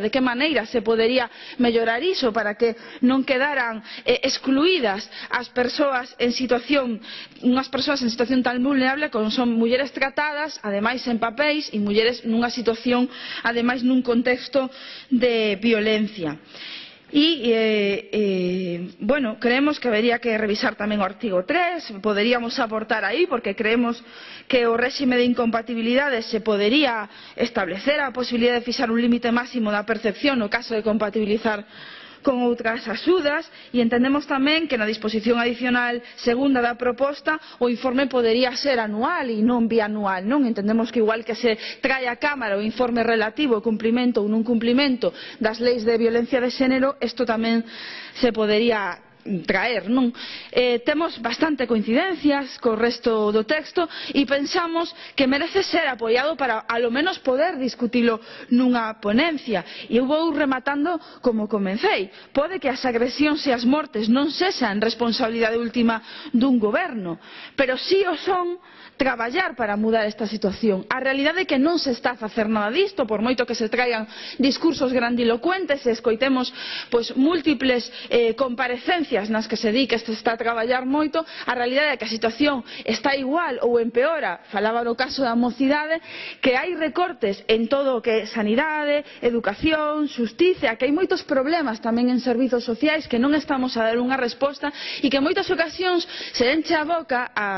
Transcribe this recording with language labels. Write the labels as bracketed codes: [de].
[gl] De que maneira se podería mellorar iso para que non quedaran excluídas as persoas en situación, unhas persoas en situación tan vulnerable como son mulleres tratadas, ademais en papéis, e mulleres nunha situación, ademais nun contexto de violencia. [es] Y bueno, creemos que habría que revisar también el artículo 3, podríamos aportar ahí, porque creemos que el régimen de incompatibilidades se podría establecer a la posibilidad de fijar un límite máximo de percepción o caso de compatibilizar con otras ayudas, y entendemos también que en la disposición adicional segunda de la propuesta o informe podría ser anual y no bianual, ¿no? Entendemos que igual que se trae a Cámara o informe relativo a cumplimiento o no cumplimiento de las leyes de violencia de género, esto también se podría traer, ¿no? [gl] Temos [es] bastante coincidencias con el resto del texto y pensamos que merece ser apoyado para a lo menos poder discutirlo en una ponencia. Y voy rematando como comencé. Puede que las agresiones y las muertes no sean responsabilidad última de un gobierno, pero sí o son trabajar para mudar esta situación. [gl] A realidad é que non se está a facer nada disto, por moito que se traigan discursos grandilocuentes e escoitemos pues, múltiples comparecencias nas que se di que se está a traballar moito, a realidad é que a situación está igual ou empeora, falaba no caso da mocidade, que hai recortes en todo o que é sanidade, educación, justicia, que hai moitos problemas tamén en servizos sociais que non estamos a dar unha resposta e que en moitas ocasións se enche a boca